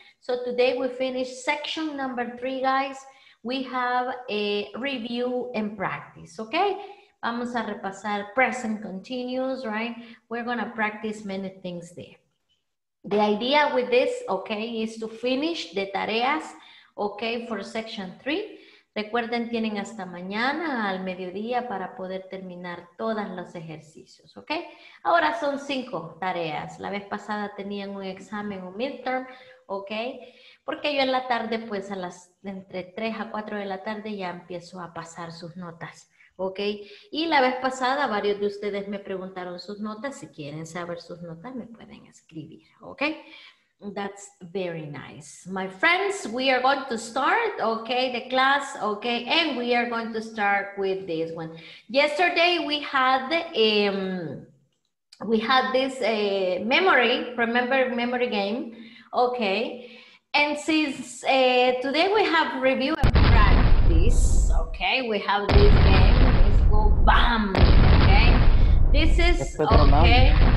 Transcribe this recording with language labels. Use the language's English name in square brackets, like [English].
[English] So today we finish section number 3, guys. We have a review and practice, okay? [Spanish] Vamos a repasar [English] present continuous, right? We're going to practice many things there. The idea with this, okay, is to finish the tareas, okay, for section 3. [Spanish] Recuerden, tienen hasta mañana al mediodía para poder terminar todos los ejercicios, ¿ok? Ahora son 5 tareas. La vez pasada tenían un examen, un midterm, ¿ok? Porque yo en la tarde, pues entre 3 a 4 de la tarde ya empiezo a pasar sus notas, ¿ok? Y la vez pasada varios de ustedes me preguntaron sus notas. Si quieren saber sus notas, me pueden escribir, ¿ok? [English] That's very nice. My friends, we are going to start, okay, the class, okay, and we are going to start with this one. Yesterday we had this memory, remember memory game, okay, and since today we have review and practice, okay, we have this game, let's go bam, okay, this is okay.